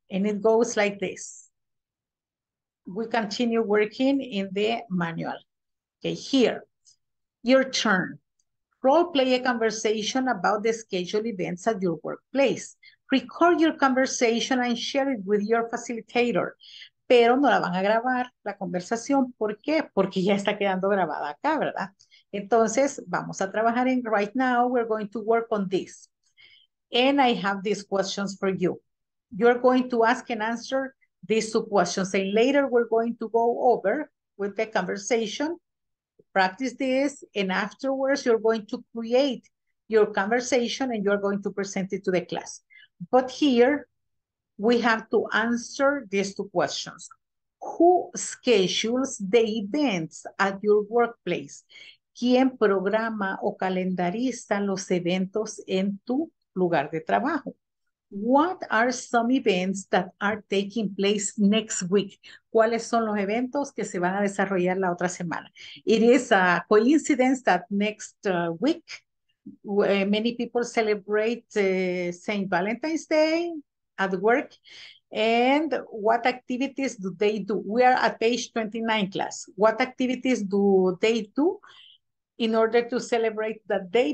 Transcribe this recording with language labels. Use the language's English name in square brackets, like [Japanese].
[English] And it goes like this. We continue working in the manual. Okay, here, your turn. Role play a conversation about the scheduled events at your workplace. Record your conversation and share it with your facilitator. [Spanish] Pero no la van a grabar la conversación. ¿Por qué? Porque ya está quedando grabada acá, ¿verdad? Entonces, vamos a trabajar en [English] right now. We're going to work on this. And I have these questions for you. You're going to ask and answer these two questions. And later, we're going to go over with the conversation. Practice this, and afterwards, you're going to create your conversation and you're going to present it to the class. But here, we have to answer these two questions. Who schedules the events at your workplace? [Spanish] ¿Quién programa o calendariza los eventos en tu lugar de trabajo? [English] What are some events that are taking place next week? [Spanish] ¿Cuáles son los eventos que se van a desarrollar la otra semana? [English] It is a coincidence that next week, many people celebrate St. Valentine's Day at work. And what activities do they do? We are at page 29, class. What activities do they do in order to celebrate that day?